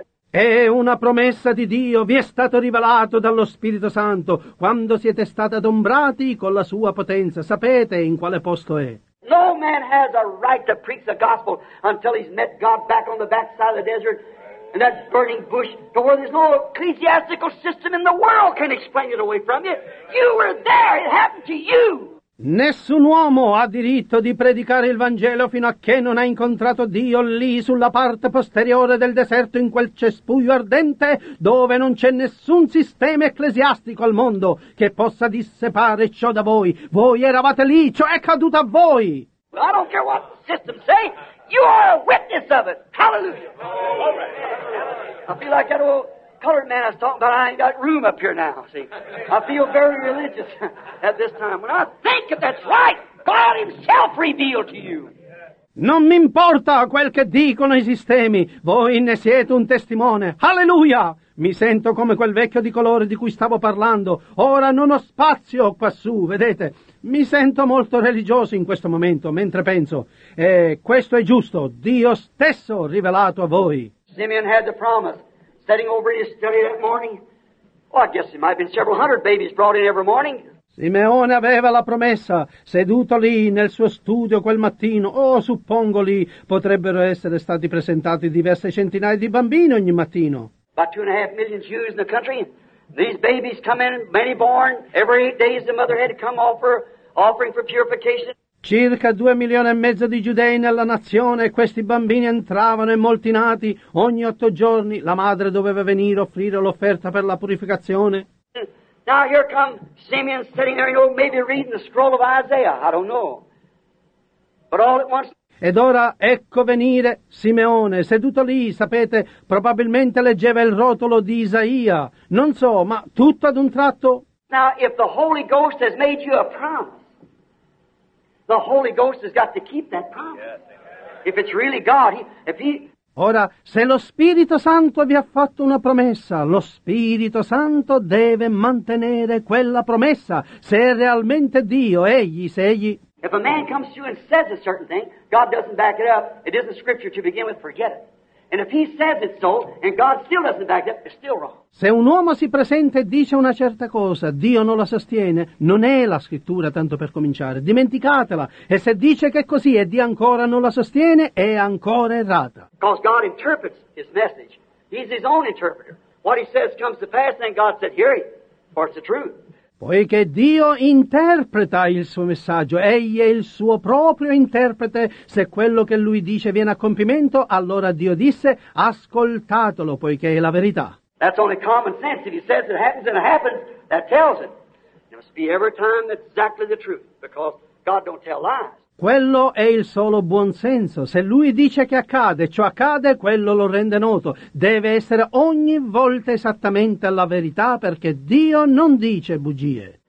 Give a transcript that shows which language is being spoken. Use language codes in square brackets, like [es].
[it] È una promessa di Dio, vi è stato rivelato dallo Spirito Santo quando siete stati adombrati con la sua potenza. Sapete in quale posto è. [en] No man has a right to preach the gospel until he's met God back on the backside of the desert. And that burning bush, to where there's no ecclesiastical system in the world can explain it away from you. You were there, it happened to you. [it] Nessun uomo ha diritto di predicare il Vangelo fino a che non ha incontrato Dio lì sulla parte posteriore del deserto in quel cespuglio ardente dove non c'è nessun sistema ecclesiastico al mondo che possa dissepare ciò da voi. Voi eravate lì, ciò è caduto a voi. [en] Well, I don't care what the system say. You are a witness of it. Hallelujah. I feel like that old colored man I was talking about. I ain't got room up here now, see. I feel very religious at this time. When I think of that's right, God himself revealed to you. [it] Non mi importa quel che dicono i sistemi. Voi ne siete un testimone. Hallelujah. Mi sento come quel vecchio di colore di cui stavo parlando. Ora non ho spazio quassù, vedete? Mi sento molto religioso in questo momento, mentre penso. E questo è giusto, Dio stesso rivelato a voi. [en] Simeon had the promise, sitting over in his study that morning. Well, I guess it might have been several hundred babies brought in every morning. [it] Simeone aveva la promessa, seduto lì nel suo studio quel mattino, suppongo lì potrebbero essere stati presentati diverse centinaia di bambini ogni mattino. [en] About 2.5 million Jews in the country. These babies come in, many born. Every 8 days the mother had to come offer offering for purification. [it] Circa 2.5 milioni di giudei nella nazione, questi bambini entravano e molti nati. Ogni 8 giorni la madre doveva venire offrire l'offerta per la purificazione. [en] Now here comes Simeon sitting there, you know, maybe reading the scroll of Isaiah, I don't know. But all at once... [it] Ed ora ecco venire Simeone, seduto lì, sapete, probabilmente leggeva il rotolo di Isaia. Non so, ma tutto ad un tratto. [en] Now, if the Holy Ghost has made you a promise, the Holy Ghost has got to keep that promise. If it's really God, [it] Ora, se lo Spirito Santo vi ha fatto una promessa, lo Spirito Santo deve mantenere quella promessa. Se è realmente Dio, egli... [en] If a man comes to you and says a certain thing, God doesn't back it up. It isn't scripture to begin with, forget it. And if he says it so, and God still doesn't back it up, it's still wrong. [it] Se un uomo si presenta e dice una certa cosa, Dio non la sostiene, non è la scrittura tanto per cominciare. Dimenticatela. E se dice che è così e Dio ancora non la sostiene, è ancora errata. [en] Because God interprets his message. He's his own interpreter. What he says comes to pass, then God said, hear it, for it's the truth. [it] Poiché Dio interpreta il suo messaggio, egli è il suo proprio interprete, se quello che lui dice viene a compimento, allora Dio disse, ascoltatelo, poiché è la verità. [en] That's only common sense. If he says it happens and it happens, that tells it. It must be every time that's exactly the truth, because God don't tell lies. [it] Quello è il solo buon senso. Se lui dice che accade, ciò accade, quello lo rende noto. Deve essere ogni volta esattamente la verità, perché Dio non dice bugie.